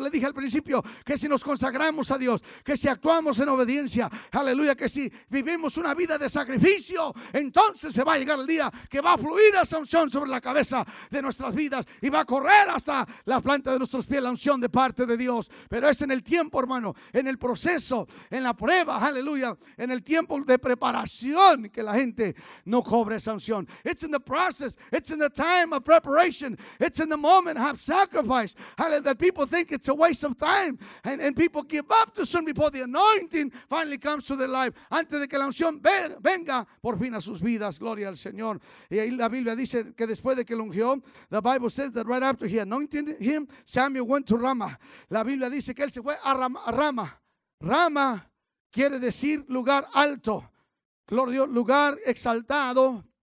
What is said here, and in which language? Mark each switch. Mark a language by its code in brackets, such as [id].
[es] Le dije al principio que si nos consagramos a Dios, que si actuamos en obediencia, aleluya, que si vivimos una vida de sacrificio, entonces se va a llegar el día que va a fluir esa unción sobre la cabeza de nuestras vidas y va a correr hasta la planta de nuestros pies la unción de parte de Dios. Pero es en el tiempo, hermano, en el proceso, en la prueba, aleluya, en el tiempo de preparación que la gente no cobra esa unción. [en] It's in the process, it's in the time of preparation. It's in the moment of sacrifice that people think it's a waste of time, and people give up too soon before the anointing finally comes to their life. [es] Antes de que la unción venga por fin a sus vidas, gloria al Señor. Y ahí la Biblia dice que después de que lo ungió, [en] the Bible says that right after he anointed him, Samuel went to Ramah. [es] La Biblia dice que él se fue a Ramah. Ramah quiere decir lugar alto, gloria a Dios, lugar exaltado.